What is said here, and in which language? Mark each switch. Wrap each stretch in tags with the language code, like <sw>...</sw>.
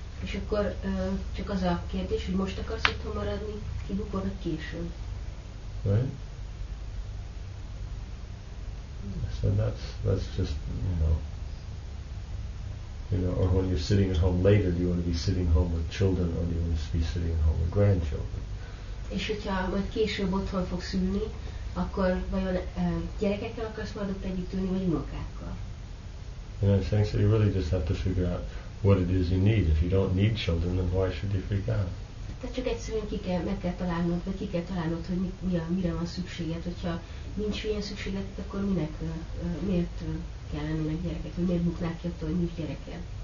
<hu>És akkor csak az a kérdés, hogy most akarsz otthon maradni, kibukod, vagy később.</hu> <en>Right? So that's just, you know, or when you're sitting at home later, do you want to be sitting home with children or do you want to be sitting at home with grandchildren?</en> <hu>És hogyha majd később otthon fogsz ülni, akkor vajon gyerekekkel akarsz majd ott együtt ülni, vagy unokákkal?</hu> <en>You know, so you really just have to figure out what it is you need. If you don't need children, then why should you freak out?</en> <hu>Tehát csak egyszerűen ki kell találnod, hogy mire van szükséged. Hogyha nincs ilyen szükséged, akkor miért kell lennének gyereket? Vagy miért buknál ki attól, hogy nincs gyereked?</hu>